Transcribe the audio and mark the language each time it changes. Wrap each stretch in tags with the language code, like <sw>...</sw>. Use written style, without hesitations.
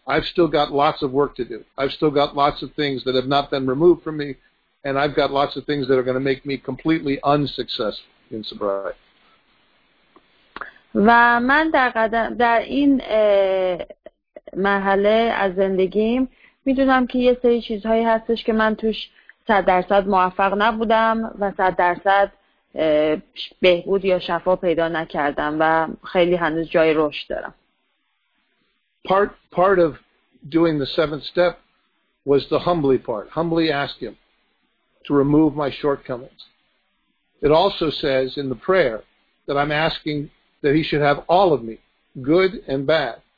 <en>I've still got lots of work to do. I've still got lots of things that have not been removed from me, and I've got lots of things that are going to make me completely unsuccessful in sobriety.</en> <fa>و من در این مرحله از زندگیم میدونم که یه سری چیزهایی هستش که من توش 100% موفق نبودم و 100% بهبود یا شفا پیدا نکردم و خیلی هنوز جای رشد دارم.</fa> <en>Part of doing the seventh step was the humbly part. Humbly ask him to remove my shortcomings. It also says in the prayer that I'm asking that he should have all of me, good and bad.</en>